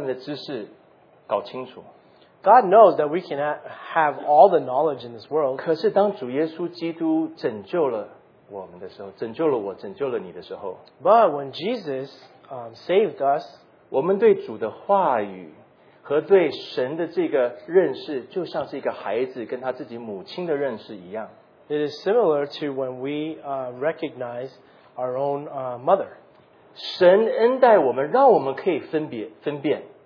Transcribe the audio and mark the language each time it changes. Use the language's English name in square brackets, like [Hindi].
[Chinese] 神知道我们没有办法将所有世界上面的知识搞清楚。 [English] God knows that we cannot have all the knowledge in this world. [Chinese] 可是当主耶稣基督拯救了我们的时候，拯救了我，拯救了你的时候， [English] but when Jesus saved us, [Chinese] 我们对主的话语和对神的这个认识，就像是一个孩子跟他自己母亲的认识一样。 [English] It is similar to when we recognize our own mother. [Chinese] 神恩待我们，让我们可以分别分辨。